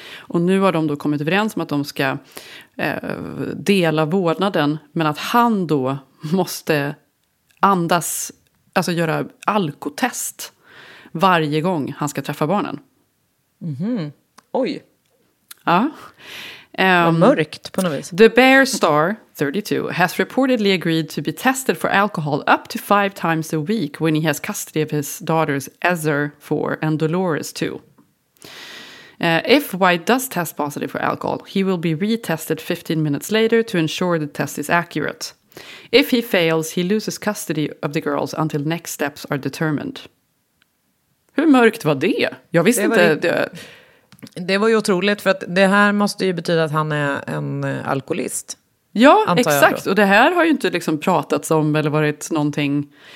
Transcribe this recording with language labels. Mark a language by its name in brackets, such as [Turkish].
[Swedish] Och nu har de då kommit överens om att de ska dela vårdnaden, men att han då måste andas, alltså göra alkotest varje gång han ska träffa barnen. Mm-hmm. Oj. Ja. Vad mörkt på något vis. [English] The Bear Star 32 has reportedly agreed to be tested for alcohol up to 5 times a week when he has custody of his daughters Ezra 4 and Dolores 2. If White does test positive for alcohol, he will be retested 15 minutes later to ensure the test is accurate. If he fails, he loses custody of the girls until next steps are determined. [Swedish] Hur mörkt var det? Jag visste inte... Det var ju otroligt, för att det här måste ju betyda att han är en alkoholist. Ja, exakt. Och det här har ju inte liksom pratats om eller varit någonting.